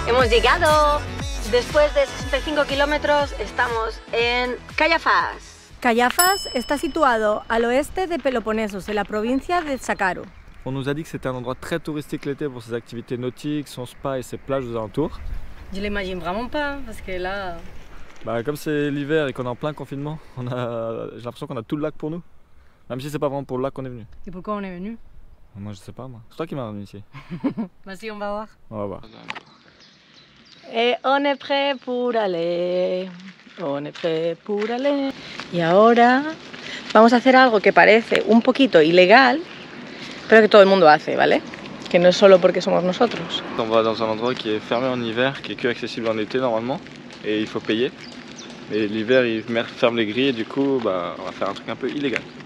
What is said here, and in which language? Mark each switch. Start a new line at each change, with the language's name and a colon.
Spanish: Llegado. Después de 65 kilómetros estamos en Kaiafas. Kaiafas está situado al oeste de Peloponnesos, en la provincia de Sakaro.
French: On nous a dit que c'était un endroit très touristique l'été pour ses activités nautiques, son spa et ses plages aux alentours. Je l'imagine vraiment pas parce que là. Bah comme c'est l'hiver et qu'on est en plein confinement, j'ai l'impression qu'on a tout le lac pour nous. Même si c'est pas vraiment pour le lac qu'on est venu. Et pourquoi on est venu? Moi je sais pas moi. C'est toi qui m'as ramené ici. Bah si, on va voir. On va voir. Et on est prêt pour aller, on est prêt pour aller.
Spanish: Y ahora vamos a hacer algo que parece un poquito ilegal, pero que todo el mundo hace, ¿vale? Que no es solo porque somos nosotros.
French: On va dans un endroit qui est fermé en hiver, qui est que accessible en été normalement, et il faut payer. Et l'hiver, ils ferment les grilles, et du coup, bah, on va faire un truc un peu illégal.